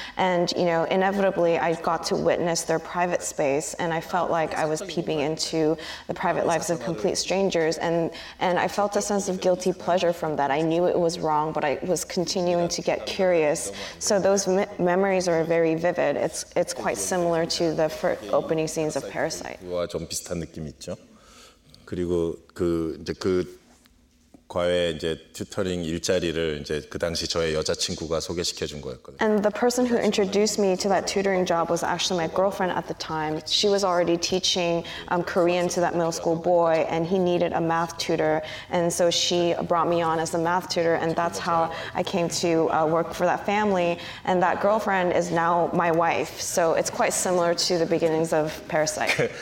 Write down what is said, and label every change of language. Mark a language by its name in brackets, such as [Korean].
[English] And, you know, inevitably I got to witness their private space, and I felt like I was peeping into the private lives of complete strangers. And I felt a sense of guilty pleasure from that. I knew it was wrong, but I was continuing to get curious. So those memories are very vivid. It's quite similar to the first opening scenes of Parasite. [Korean] 좀 비슷한 느낌 있죠. 그리고 그 이제 그 과외 이제 튜터링 일자리를 이제 그 당시 저의 여자친구가 소개시켜 준 거였거든요. [English] And the person who introduced me to that tutoring job was actually my girlfriend at the time. She was already teaching Korean to that middle school boy, and he needed a math tutor, and so she brought me on as a math tutor, and that's how I came to work for that family. And that girlfriend is now my wife. So it's quite similar to the beginnings of Parasite.